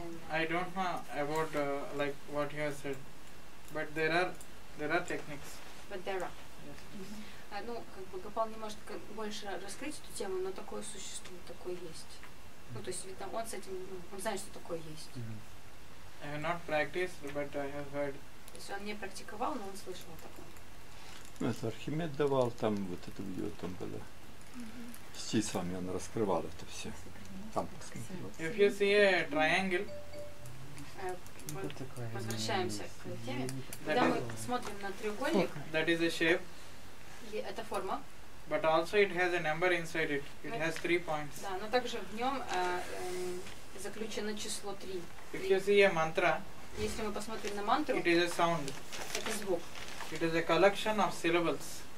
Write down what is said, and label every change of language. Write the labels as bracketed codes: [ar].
[en] I don't know about like what you have said, but there are techniques. But there are. Yes. [ru] Ну, как бы Гопал не может больше раскрыть эту тему, но такое существует, такое есть. Ну, то есть ведь он с этим, он знает, что такое есть. [en] I have not practiced, but I have heard. [ru] То есть он не практиковал, но он слышал о таком. Ну, это Архимед давал там вот это видео там было. С числами он раскрывал это все. [en] If you see a triangle, [ru] возвращаемся к теме. Когда мы смотрим на треугольник, [en] that is a shape. [ru] Это форма. [en] But also it has a number inside it. It has three points. [ru] Да, но также в нем заключено число три. [en] If you see a mantra, [ru] если мы посмотрим на мантру, [en] it is a sound. [ru] Это звук. [en] It is a collection of syllables.